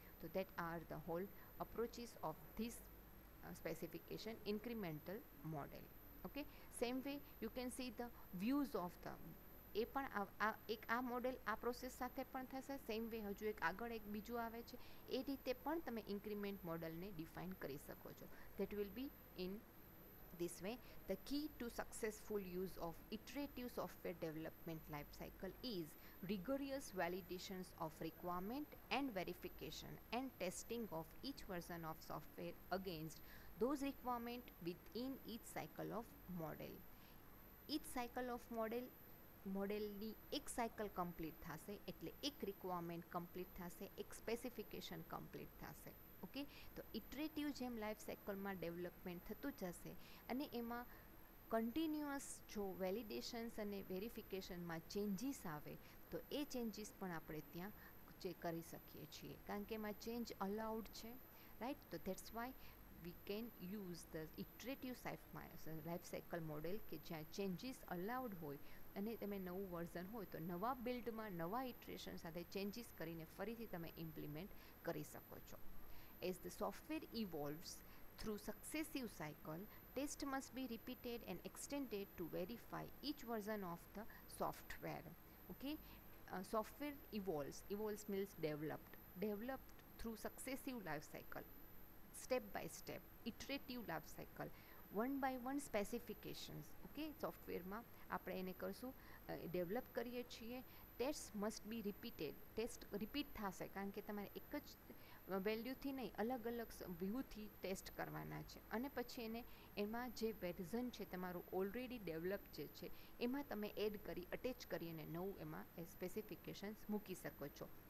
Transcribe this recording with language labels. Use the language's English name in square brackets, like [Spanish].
[English] તો that are the whole approaches of this specification incremental model. Okay, same way you can see the views of the, [Gujarati] એ પણ એક આ model આ process સાથે પણ થશે. [English] same way [Gujarati] હજુ એક આગળ એક બીજું આવે છે, એ રીતે પણ તમે ઇન્ક્રીમેન્ટ મોડલને ડિફાઇન કરી શકો છો. [English] That will be in this way. The key to successful use of iterative software development life cycle is rigorous validations of requirement and verification and testing of each version of software against those requirements within each cycle of model. Each cycle of model [Gujarati] ની એક cycle complete થશે એટલે એક requirement complete થશે, એક specification complete થશે. Okay, તો iterative જેમ લાઈફ સાયકલમાં ડેવલપમેન્ટ થતું જશે અને એમાં કન્ટિન્યુઅસ જો વેલિડેશન્સ અને વેરિફિકેશનમાં ચેન્જીસ આવે તો એ ચેન્જીસ પણ આપણે ત્યાં જે કરી શકીએ છીએ, કારણ કે એમાં ચેન્જ અલાઉડ છે, રાઈટ? તો [English] that's why we can use the iterative life cycle model, [Gujarati] કે જ્યાં ચેન્જીસ અલાઉડ હોય અને તમે નવું વર્ઝન હોય તો નવા બિલ્ડમાં નવા ઇટરેશન સાથે ચેન્જીસ કરીને ફરીથી તમે ઇમ્પ્લિમેન્ટ કરી શકો છો. [English] As the software evolves through successive cycle, test must be repeated and extended to verify each version of the software. Okay, software evolves means developed through successive life cycle, step by step iterative life cycle, one by one specifications. [Gujarati] Okay, software ma apne ene karsu develop kariye chhiye. [English] Tests must be repeated, [Gujarati] test repeat thase karan ke tamare ek j વેલ્યુથી નહીં, અલગ અલગ વ્યૂથી test કરવાના છે અને પછી એને એમાં જે વર્ઝન છે તમારું ઓલરેડી ડેવલપ જે છે એમાં તમે એડ કરી, અટેચ કરી અને નવું એમાં સ્પેસિફિકેશન્સ મૂકી શકો છો.